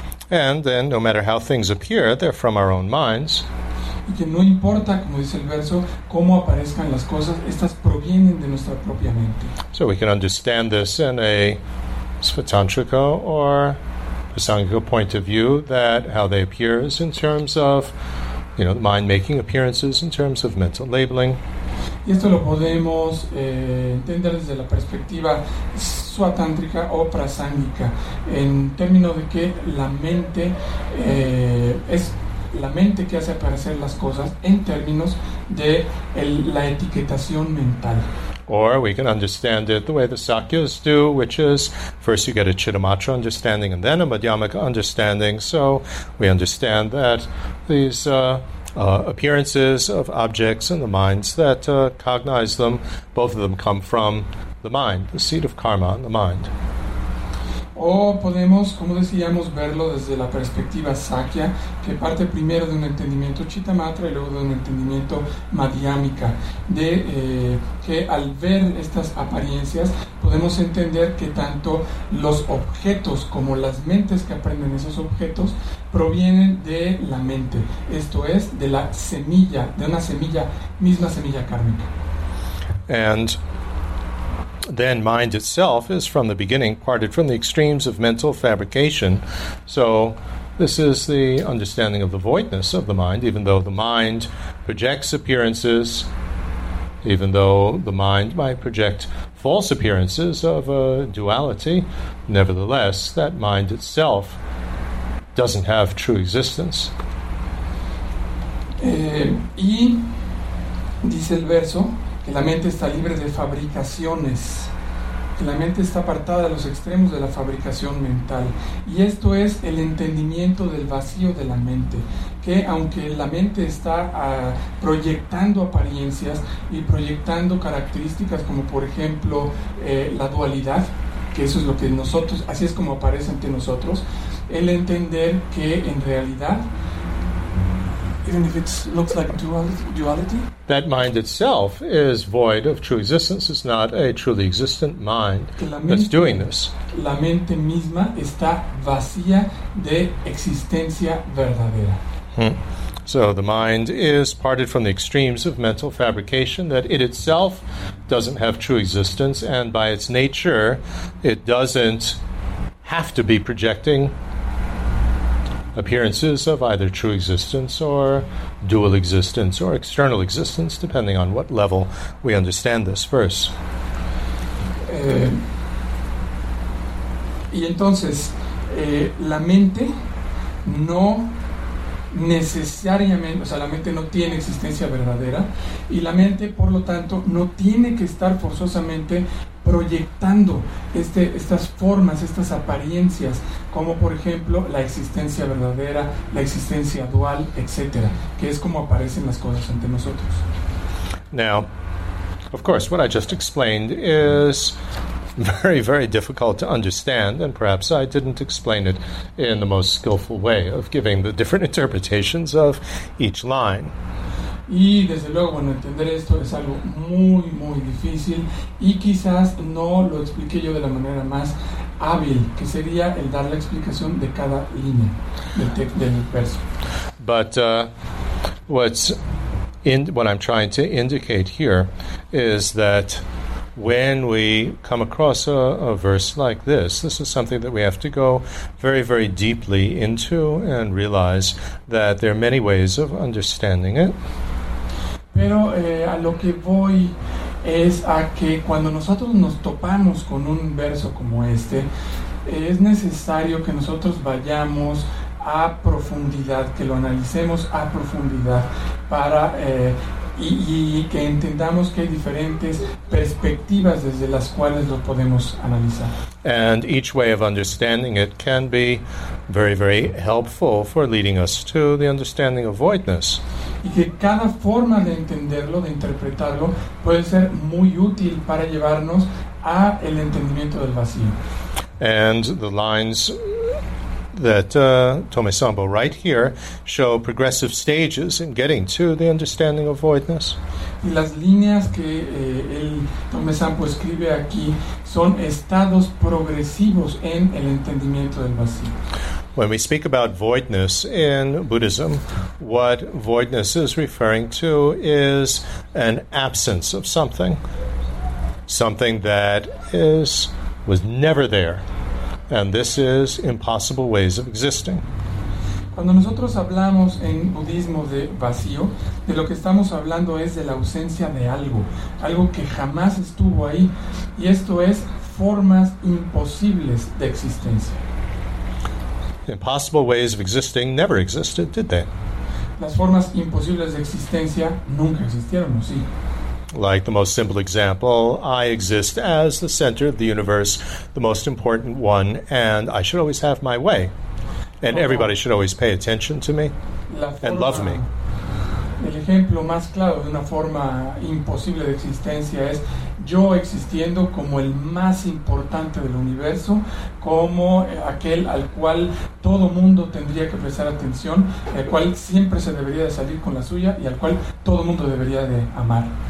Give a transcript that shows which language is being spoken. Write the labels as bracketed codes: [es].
[en] And then, no matter how things appear, they're from our own minds. [es] Y que no importa, como dice el verso, cómo aparezcan las cosas, estas provienen de nuestra propia mente. [en] So we can understand this in a svatantrika or a sangha point of view, that how they appear is in terms of, you know, mind making appearances in terms of mental labeling. [es] Y esto lo podemos entender desde la perspectiva suatántrica o prasángica, en términos de que la mente es la mente que hace aparecer las cosas en términos de la etiquetación mental. [en] Or we can understand it the way the Sakyas do, which is first you get a Chittamatra understanding and then a Madhyamaka understanding. So we understand that these appearances of objects and the minds that cognize them, both of them come from the mind, the seed of karma in the mind. [es] O podemos, como decíamos, verlo desde la perspectiva Sakya, que parte primero de un entendimiento Chittamatra y luego de un entendimiento Madhyamika, de que al ver estas apariencias podemos entender que tanto los objetos como las mentes que aprenden esos objetos provienen de la mente, esto es, de la semilla, de una semilla, misma semilla kármica. [en] And then mind itself is from the beginning parted from the extremes of mental fabrication. So this is the understanding of the voidness of the mind, even though the mind projects appearances, even though the mind might project false appearances of a duality, nevertheless, that mind itself doesn't have true existence. [es] Y dice el verso que la mente está libre de fabricaciones. La mente está apartada de los extremos de la fabricación mental. Y esto es el entendimiento del vacío de la mente. Que aunque la mente está proyectando apariencias y proyectando características como, por ejemplo, la dualidad, que eso es lo que nosotros, así es como aparece ante nosotros, el entender que en realidad, [en] even if it looks like duality, that mind itself is void of true existence. It's not a truly existent mind that's doing this. [es] La mente misma está vacía de existencia verdadera. [en] So the mind is parted from the extremes of mental fabrication, that it itself doesn't have true existence, and by its nature, it doesn't have to be projecting appearances of either true existence or dual existence or external existence, depending on what level we understand this verse. [es] Y entonces, la mente no necesariamente, o sea, la mente no tiene existencia verdadera, y la mente, por lo tanto, no tiene que estar forzosamente proyectando estas formas, estas apariencias, como por ejemplo la existencia verdadera, la existencia dual, etcétera, que es como aparecen las cosas ante nosotros. [en] Now, of course, what I just explained is very, very difficult to understand, and perhaps I didn't explain it in the most skillful way of giving the different interpretations of each line. [es] Y desde luego, bueno, entender esto es algo muy, muy difícil, y quizás no lo expliqué yo de la manera más hábil, que sería el dar la explicación de cada línea del verso. [en] But what I'm trying to indicate here is that when we come across a verse like this, this is something that we have to go very, very deeply into and realize that there are many ways of understanding it. [es] Pero a lo que voy es a que cuando nosotros nos topamos con un verso como este, es necesario que nosotros vayamos a profundidad, que lo analicemos a profundidad para y que entendamos que hay diferentes perspectivas desde las cuales lo podemos analizar. [en] And each way of understanding it can be very, very helpful for leading us to the understanding of voidness. [es] Y que cada forma de entenderlo, de interpretarlo, puede ser muy útil para llevarnos a el entendimiento del vacío. [en] And the lines that Tome Sambo write here show progressive stages in getting to the understanding of voidness. [es] Y las líneas que el Tome Sambo escribe aquí son estados progresivos en el entendimiento del vacío. [en] When we speak about voidness in Buddhism, what voidness is referring to is an absence of something, something that was never there. And this is impossible ways of existing. [es] Cuando nosotros hablamos en budismo de vacío, de lo que estamos hablando es de la ausencia de algo, algo que jamás estuvo ahí, y esto es formas imposibles de existencia. [en] Impossible ways of existing never existed, did they? [es] Las formas imposibles de existencia nunca existieron, sí. [en] Like the most simple example, I exist as the center of the universe, the most important one, and I should always have my way. And everybody should always pay attention to me and love me. [es] El ejemplo más claro de una forma imposible de existencia es yo existiendo como el más importante del universo, como aquel al cual todo mundo tendría que prestar atención, el cual siempre se debería de salir con la suya y al cual todo mundo debería de amar.